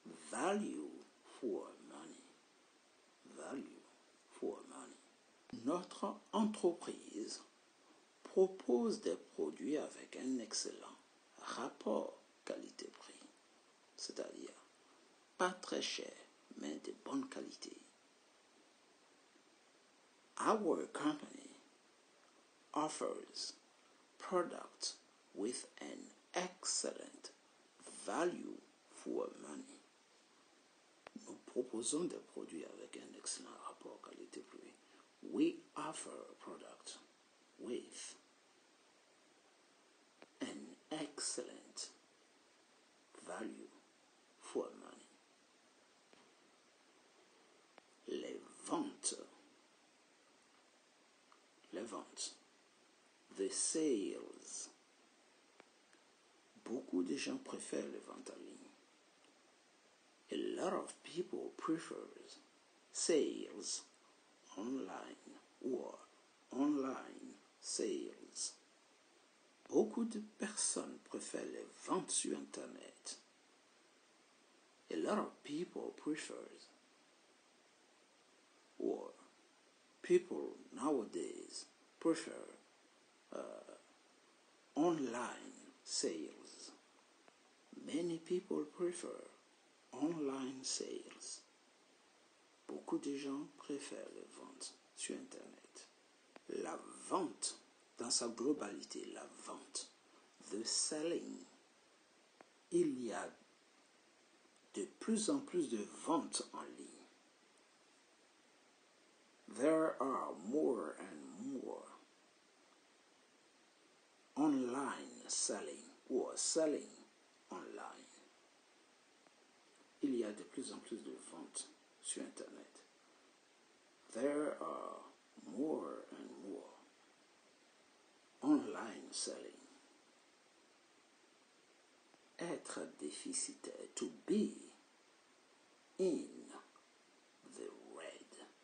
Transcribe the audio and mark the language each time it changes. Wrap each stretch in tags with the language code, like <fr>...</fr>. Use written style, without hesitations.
<en>Value for money. Value for money.</en> <fr>Notre entreprise propose des produits avec un excellent rapport qualité-prix. C'est-à-dire, pas très cher, mais de bonne qualité.</fr> <en>Our company offers products with an excellent value for money.</en> <fr>Nous proposons des produits avec un excellent rapport qualité-prix.</fr> <en>We offer a product with an excellent value for money.</en> <fr>Les ventes. Les ventes.</fr> <en>The sales.</en> <fr>Beaucoup de gens préfèrent les ventes en ligne.</fr> <en>A lot of people prefer sales online or online sales.</en> <fr>Beaucoup de personnes préfèrent les ventes sur Internet.</fr> <en>A lot of people prefer or people nowadays prefer online sales. Many people prefer online sales.</en> <fr>Beaucoup de gens préfèrent les ventes sur Internet. La vente, dans sa globalité, la vente.</fr> <en>The selling.</en> <fr>Il y a de plus en plus de ventes en ligne.</fr> <en>There are more and more online selling or selling online.</en> <fr>Il y a de plus en plus de ventes sur Internet.</fr> <en>There are more and more online selling.</en> <fr>Être déficitaire.</fr> <en>To be in the red.</en>